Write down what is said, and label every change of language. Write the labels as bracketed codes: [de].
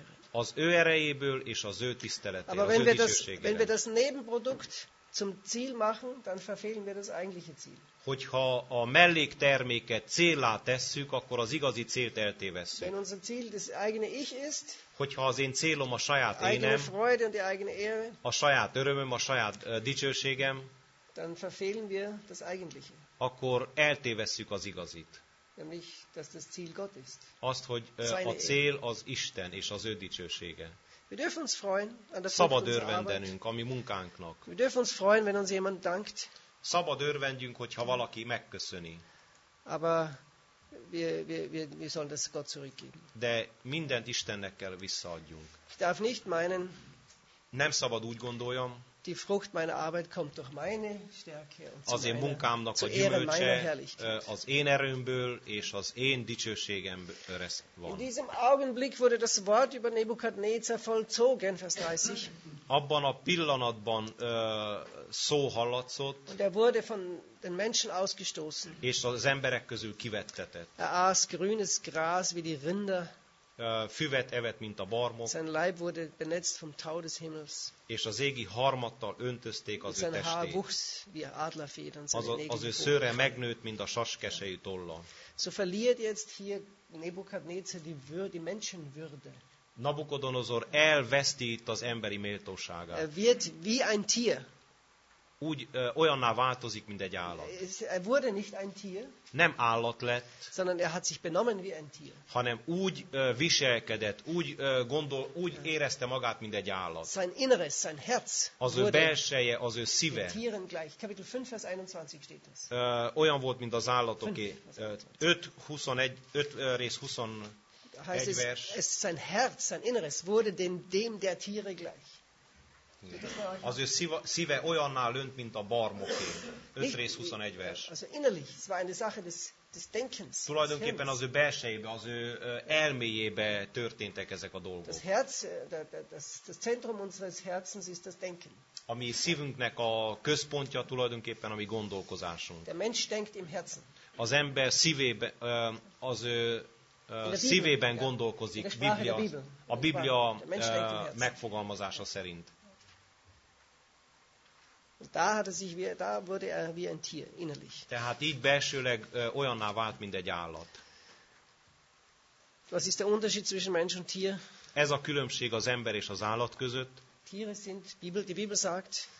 [hu] Az ő erejéből és az ő tisztelete, az ő dicsőségére. [de] Wenn wir das Nebenprodukt zum Ziel machen, dann verfehlen wir das eigentliche Ziel. [hu] Hogyha a mellékterméket céllá tesszük, akkor az igazi célt eltévesszük. [de] Wenn unser Ziel das eigene Ich ist, [hu] hogyha az én célom a saját énem, [de] Freude und die eigene Ehre, [hu] a saját örömöm, a saját dicsőségem, [de] dann verfehlen wir das eigentliche. [hu] Akkor eltévesszük az igazit. [de] Nämlich, dass das Ziel Gott ist. [hu] Azt, hogy a cél az Isten és az ő dicsősége. [de] Wir dürfen uns freuen, an der [hu] szabad örvendenünk a mi munkánknak. [de] Wir dürfen uns freuen, wenn uns jemand dankt. [hu] Szabad örvendjünk, hogyha valaki megköszöni. [de] Aber wir sollen das Gott zurückgeben. [hu] De mindent Istennek kell visszaadjunk. [de] Ich darf nicht meinen, [hu] nem szabad úgy gondoljam, [de] die Frucht meiner Arbeit kommt durch meine Stärke und [hu] az én munkámnak a gyümölcse az én erőmből és az én dicsőségemből van. [de] In diesem Augenblick wurde das Wort über Nebukadnezar vollzogen, Vers 30. [hu] Abban a pillanatban szó hallatszott, [de] und er wurde von den Menschen ausgestoßen. [hu] És az emberek közül kivettetett. [de] Er aß grünes Gras wie die Rinder. [hu] Füvet evett, mint a barmok. [de] Sein Leib wurde benetzt vom Tau des Himmels. [hu] És az égi harmattal öntözték az ő testét. [de] Haar wuchs wie Adlerfedern, [hu] az ő szőre megnőtt, mint a saskesejű tolla. [de] So verliert jetzt hier Nebukadnezar die Würde, die Menschenwürde. [hu] Nabukodonozor elveszti itt az emberi méltóságát. [de] Er wird wie ein Tier. [hu] Úgy olyanná változik, mint egy állat. [de] Er wurde nicht ein Tier, [hu] nem állat lett, [de] sondern er hat sich benommen wie ein Tier. [hu] Hanem úgy viselkedett, úgy érezte magát, mint egy állat. [de] Sein Inneres, sein Herz, [hu] az ő belseje, az ő szíve. [de] Tieren gleich. Kapitel 5, Vers 21 steht das. [hu] Olyan volt, mint az állatoké. 5 rész 21 vers. [de] Es, sein Herz, sein Inneres wurde dem der Tiere gleich. [hu] Az ő szíve olyanná lönt, mint a barmoké. 5 rész 21 vers. [de] Also innerlich, es war eine Sache des Denkens. [hu] Tulajdonképpen az ő belsejébe, az ő elméjébe történtek ezek a dolgok. [de] Das Herz, das Zentrum unseres Herzens ist das Denken. [hu] A mi szívünknek a központja tulajdonképpen a mi gondolkozásunk. [de] Der Mensch denkt im Herzen. [hu] Az ember szívébe, az ő szívében gondolkozik, a Biblia megfogalmazása szerint. [de] Da wurde er wie ein Tier innerlich. [hu] Tehát így belsőleg olyanná vált, mint egy állat. [de] Was ist der Unterschied zwischen Mensch und Tier? [hu] Ez a különbség az ember és az állat között. [de] Tiere sind, die Bibel sagt,